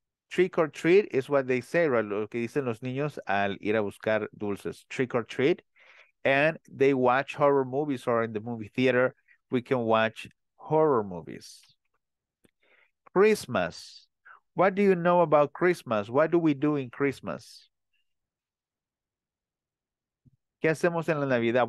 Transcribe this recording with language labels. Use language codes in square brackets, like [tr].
[en] Trick or treat is what they say, right? [es] Lo que dicen los niños al ir a buscar dulces. [en] Trick or treat. And they watch horror movies, or in the movie theater, we can watch horror movies. Christmas. What do you know about Christmas? What do we do in Christmas? [es] ¿Qué hacemos en la Navidad?